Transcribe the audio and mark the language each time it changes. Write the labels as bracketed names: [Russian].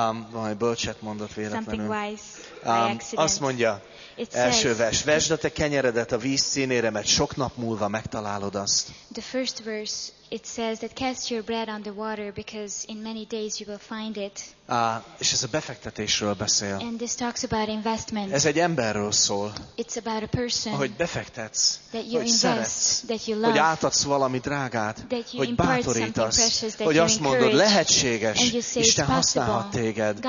[Hungarian] Valami bölcset mondott véletlenül. [English] Something wise by accident. Azt mondja. It első says, vers. [Hungarian] Vesd a te kenyeredet a víz színére, mert sok nap múlva megtalálod azt. [English] The first verse, it says that cast your bread on the water because in many days you will find it. [Hungarian] És ez a befektetésről beszél. [English] And this talks about investment. [Hungarian] Ez egy emberről szól. [English] It's about a person. [Hungarian] Hogy befektetsz, [English] that you [Hungarian] hogy [English] invest, [Hungarian] szeretsz, [English] that you love, [Hungarian] hogy átadsz valami drágát, [English] that you [Hungarian] hogy bátorítasz, [English] precious, that [Hungarian] hogy [English] you [Hungarian] azt mondod, lehetséges, Isten használhat téged.